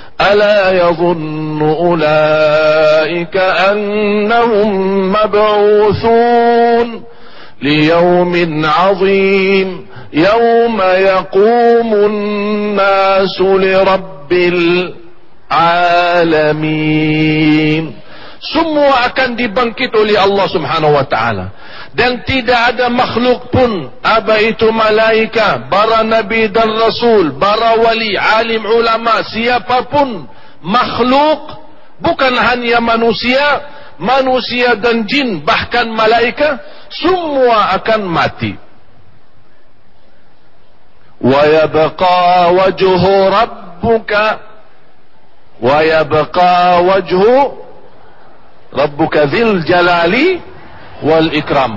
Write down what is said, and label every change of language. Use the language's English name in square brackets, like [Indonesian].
[Arabic] ألا يظن أولئك أنهم مبعوثون ليوم عظيم يوم يقوم الناس لرب العالمين. [Indonesian] Semua akan dibangkit oleh Allah subhanahu wa ta'ala. Dan tidak ada makhluk pun, apa itu malaika, para nabi dan rasul, para wali, alim, ulama, siapapun makhluk, bukan hanya manusia, manusia dan jin, bahkan malaika, semua akan mati. [Arabic] وَيَبْقَى وَجْهُ رَبُّكَ وَيَبْقَى وَجْهُ رَبُّكَ ذِلْ جَلَالِي wal ikram.